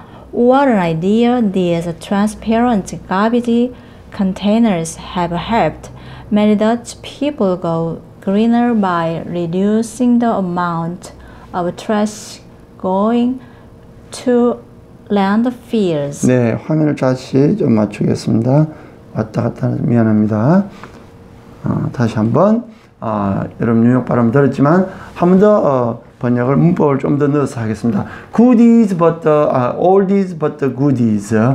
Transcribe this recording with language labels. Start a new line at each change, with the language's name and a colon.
English: What an idea! These transparent garbage containers have helped many Dutch people go greener by reducing the amount of trash going to landfills.
Korean: 네, 화면을 다시 좀 맞추겠습니다. 왔다 갔다 미안합니다. 다시 한번 여러분 뉴욕 발음 들었지만 한 번 더 번역을 문법을 좀 더 넣어서 하겠습니다.
English: Goodies but the, all these but the goodies.